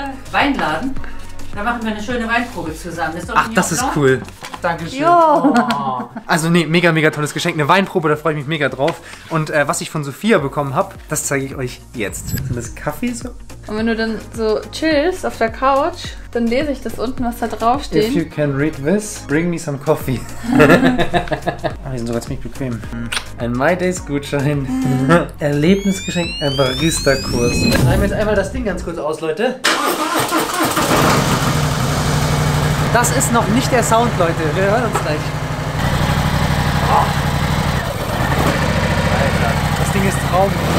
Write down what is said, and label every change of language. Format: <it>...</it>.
<de>Weinladen? Da machen wir eine schöne Weinprobe zusammen. Ach, das ist cool. danke schön. Oh. Also nee, mega, mega tolles Geschenk. Eine Weinprobe, da freue ich mich mega drauf. Und was ich von Sophia bekommen habe, das zeige ich euch jetzt. Und das Kaffee so. Und wenn du dann so chillst auf der Couch, dann lese ich das unten, was da draufsteht.</de> <en>If you can read this, bring me some coffee.</en> <de>Ach, die sind sogar ziemlich bequem. Ein My Days Gutschein. Erlebnisgeschenk, ein Barista-Kurs. Dann haben wir jetzt einmal das Ding ganz kurz aus, Leute. Das ist noch nicht der Sound, Leute. Wir hören uns gleich. Alter, das Ding ist Traum.</de>